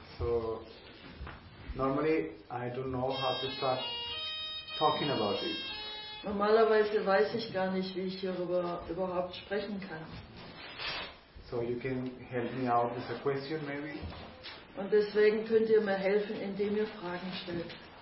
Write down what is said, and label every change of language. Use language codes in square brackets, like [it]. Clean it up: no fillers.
[en] So, normally I don't know how to start talking about it. [de] Normalerweise weiß ich gar nicht, wie ich hierüber überhaupt sprechen kann. [en] So you can help me out with a question, maybe. [de] Und deswegen könnt ihr mir helfen, indem ihr Fragen stellt.